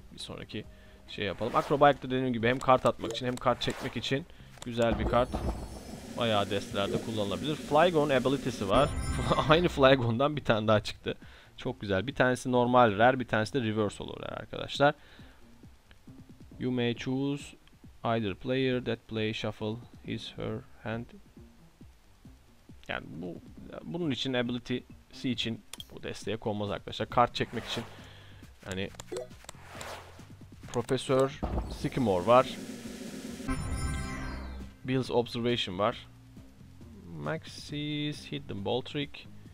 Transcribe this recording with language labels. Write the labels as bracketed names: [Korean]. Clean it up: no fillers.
[Turkish] Bir sonraki şey yapalım. Acrobike de dediğim gibi hem kart atmak için hem kart çekmek için güzel bir kart. Bayağı destelerde kullanılabilir. Flygon ability'si var. Aynı Flygon'dan bir tane daha çıktı. Çok güzel. Bir tanesi normal rare, bir tanesi de reverse olur arkadaşlar. [English] You may choose either player that play shuffle his her hand. [Turkish] Yani bu bunun için ability'si için bu desteğe konmaz arkadaşlar. Kart çekmek için hani Profesör Sycamore var. Bill's Observation var. Maxi's Hidden Ball Trick.